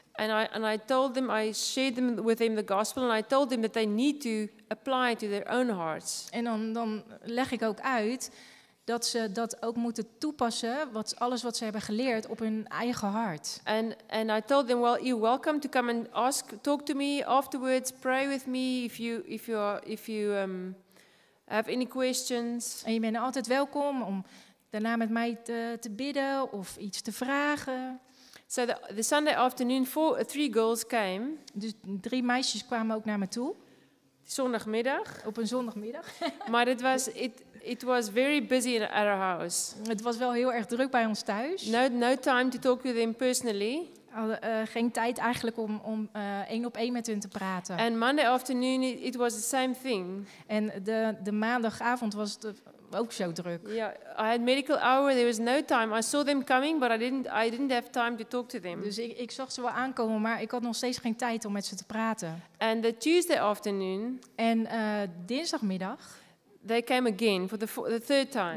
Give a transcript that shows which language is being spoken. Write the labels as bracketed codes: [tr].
[en] And I told them, I shared them with them the gospel, and I told them that they need to apply it to their own hearts. [nl] En dan leg ik ook uit dat ze dat ook moeten toepassen, alles wat ze hebben geleerd, op hun eigen hart. [en] And I told them, well, you're welcome to come and ask, talk to me afterwards, pray with me if you have any questions. [nl] En je bent altijd welkom om daarna met mij te bidden of iets te vragen. [en] So the Sunday afternoon, three girls came. [nl] Dus drie meisjes kwamen ook naar me toe. Zondagmiddag. Op een zondagmiddag. Maar het was, [en] It was very busy at our house. [nl] Het was wel heel erg druk bij ons thuis. [en] No time to talk with them personally. [nl] Geen tijd eigenlijk om één op één met hun te praten. [en] And Monday afternoon it was the same thing. [nl] En de maandagavond was het ook zo druk. [en] Yeah, I had medical hour. There was no time. I saw them coming, but I didn't have time to talk to them. [nl] Dus ik zag ze wel aankomen, maar ik had nog steeds geen tijd om met ze te praten. [en] And the Tuesday afternoon. [nl] En dinsdagmiddag. [en] They came again for the third time.